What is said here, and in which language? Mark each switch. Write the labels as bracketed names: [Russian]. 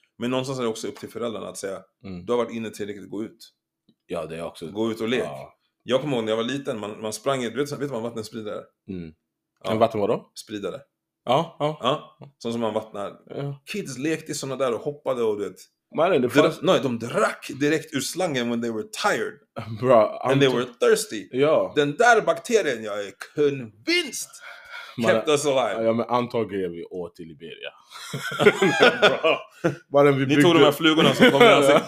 [Swedish] Men någonstans är det också upp till föräldrarna att säga du har varit inne tillräckligt att gå ut. Ja, det är också. Gå ut och lek. Ja. Jag kommer ihåg när jag var liten, man sprang i, vet du vad en vattenspridare är? Ja. En vatten vadå? Spridare. Ja, ja. Ja, sånt som man vattnar. Ja. Kids lekte i sådana där och hoppade och du vet. Nej, de drack direkt ur slangen [English] when they were tired. [Swedish] Bra. [English] And they were thirsty. [Swedish] Ja. Den där bakterien, jag är [English] convinced, kept us alive. [Swedish] Ja, men antagligen vi åt i Liberia. Bra. Vi tog de här flugorna som kom med oss.